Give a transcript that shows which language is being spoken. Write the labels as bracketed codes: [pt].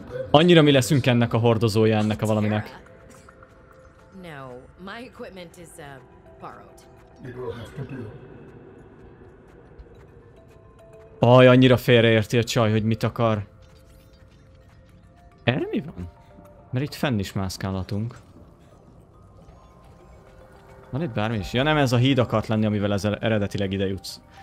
[hu] Annyira mi leszünk ennek a hordozója, ennek a valaminek. [en] My equipment is borrowed. It will have to do. [hu] Aj, annyira félreérti a csaj, hogy mit akar. Erre mi van? Mert itt fenn is mászkálhatunk. Van itt bármi is? Ja nem, ez a híd akart lenni, amivel ez eredetileg ide jutsz.